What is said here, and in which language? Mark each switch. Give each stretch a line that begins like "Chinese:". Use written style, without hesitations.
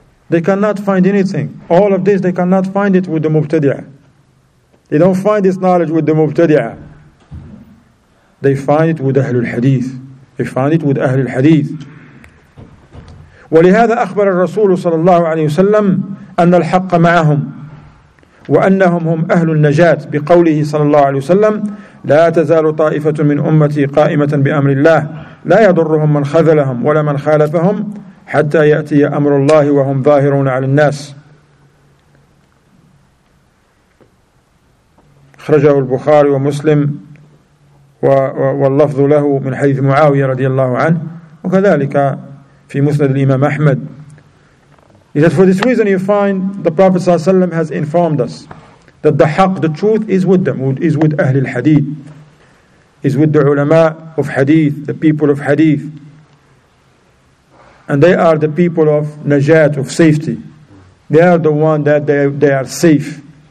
English: They cannot find anything. All of this, they cannot find it with the Mubtadi'ah. They don't find this knowledge with the Mubtadi'ah. They find it with Ahlul Hadith. They find it with Ahlul Hadith.
Arabic: ولهذا أخبر الرسول صلى الله عليه وسلم أن الحق معهم وأنهم هم أهل النجاة بقوله صلى الله عليه وسلم لا تزال طائفة من أمتي قائمة بأمر الله لا يضرهم من خذلهم ولا من خالفهم حتى يأتي أمر الله وهم ظاهرون على الناس. خرجه البخاري ومسلم واللفظ له من حديث معاوية رضي الله عنه وكذلك في مسند الإمام أحمد.
English: He says, for this reason you find the Prophet ﷺ has informed us that the haqq, the truth, is with them, is with Ahl al-Hadith, is with the ulama of Hadith, the people of Hadith. And they are the people of Najat, of safety. They are the one that they are safe.